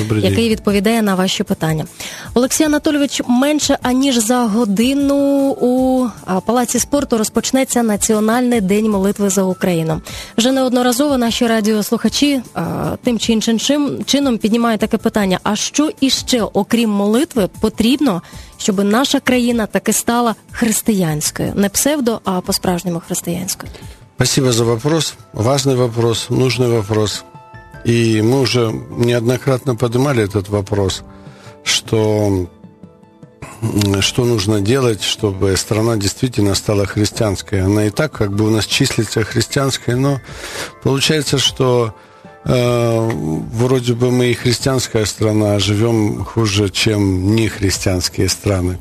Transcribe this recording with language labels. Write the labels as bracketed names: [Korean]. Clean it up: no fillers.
[Ukrainian] який відповідає на ваші питання. Олексій Анатолійович, менше аніж за годину у Палаці спорту почнеться Національний день молитви за Україну. Вже неодноразово наші радіослухачі тим чи іншим чином піднімають таке питання, а що іще, окрім молитви, потрібно, щоб наша країна таки стала християнською? Не псевдо, а по-справжньому християнською. Дякую за вопрос. Важний вопрос, нужний вопрос. І ми вже неоднократно піднімали цей вопрос, що... [Russian] Что нужно делать, чтобы страна действительно стала христианской? Она и так как бы у нас числится христианской, но получается, что вроде бы мы и христианская страна, а живем хуже, чем нехристианские страны.